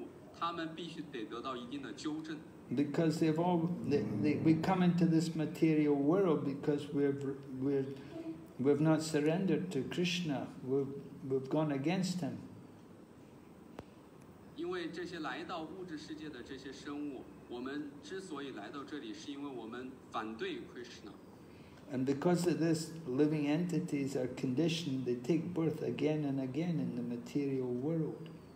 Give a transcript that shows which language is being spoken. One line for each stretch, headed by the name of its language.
Chinese: 但是那些来到物质世界想跟这些物质世界接触的这些生物，他们必须得得到一定的纠正。
English: Because they've all we come into this material world because we've not surrendered to Krishna. We've gone against him.
Chinese: 因为这些来到物质世界的这些生物，我们之所以来到这里，是因为我们反对 Krishna。
English: And because of this, living entities are conditioned, they take birth again and again in the material world.